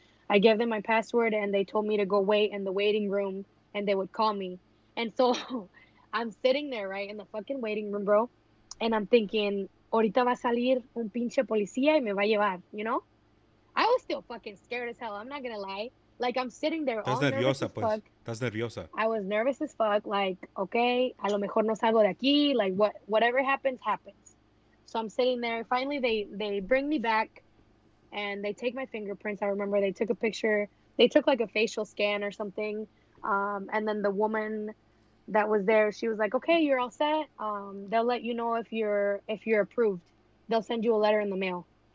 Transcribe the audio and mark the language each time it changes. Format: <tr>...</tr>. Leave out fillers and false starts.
<en>I gave them my password, and they told me to go wait in the waiting room, and they would call me. And so I'm sitting there, right, in the fucking waiting room, bro, and I'm thinking,</en> <es>ahorita va a salir un pinche policía y me va a llevar,</es> <en>you know? I was still fucking scared as hell, I'm not gonna lie. Like, I'm sitting there all nerviosa, nervous as fuck.</en> <es>Estás nerviosa.</es> <en>I was nervous as fuck. Like, okay,</en> <es>a lo mejor no salgo de aquí.</es> <en>Like, whatever happens, happens. So I'm sitting there. Finally, they bring me back. and they take my fingerprints. I remember they took a picture. They took like a facial scan or something. And then the woman that was there, she was like, "Okay, you're all set. They'll let you know if you're approved. They'll send you a letter in the mail."</en>